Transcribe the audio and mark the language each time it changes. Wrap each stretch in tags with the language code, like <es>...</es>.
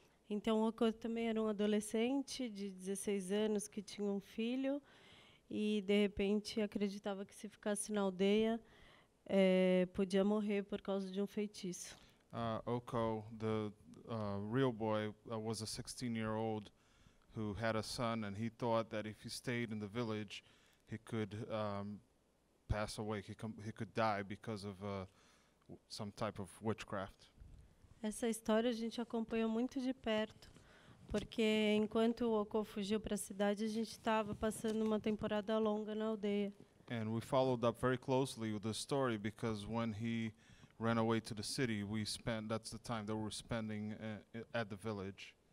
<pt>Então, o Oko também era adolescente de 16 anos que tinha filho e, de repente, acreditava que se ficasse na aldeia podia morrer por causa de feitiço.</pt> <en>Oko, the real boy, was a 16-year-old who had a son, and he thought that if he stayed in the village, he could pass away, he could die because of some type of witchcraft.</en> <pt>Essa história a gente acompanhou muito de perto, porque enquanto o Oko fugiu para a cidade, a gente estava passando uma temporada longa na aldeia.</pt> <en>And we followed up very closely with the story because when he ran away to the city, we spent that's the time that we were spending at the village.</en>